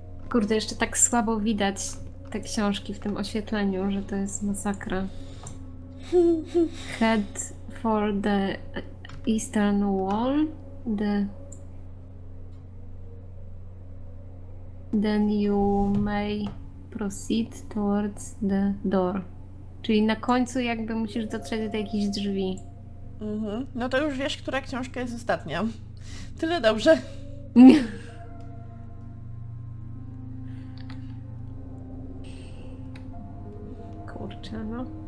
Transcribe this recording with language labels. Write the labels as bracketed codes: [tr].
[pl] Kurde, jeszcze tak słabo widać te książki w tym oświetleniu, że to jest masakra. [en] Head for the Eastern Wall, then you may proceed towards the door. [pl] Czyli na końcu jakby musisz dotrzeć do jakichś drzwi. No to już wiesz, która książka jest ostatnia. Tyle dobrze. Kurczę, no.